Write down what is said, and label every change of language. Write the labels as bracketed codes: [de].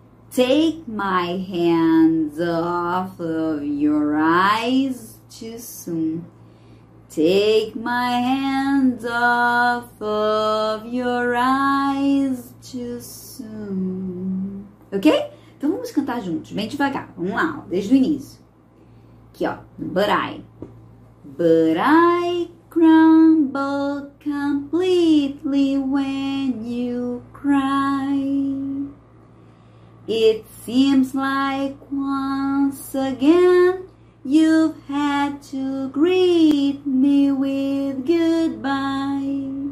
[en] Take my hands off of your eyes too soon. Take my hands off of your eyes too soon. Okay? [pt] Então vamos cantar juntos, bem devagar. Vamos lá, ó, desde o início. Aqui, ó. [en] But I crumble completely when you cry. It seems like once again you've had to greet me with goodbye.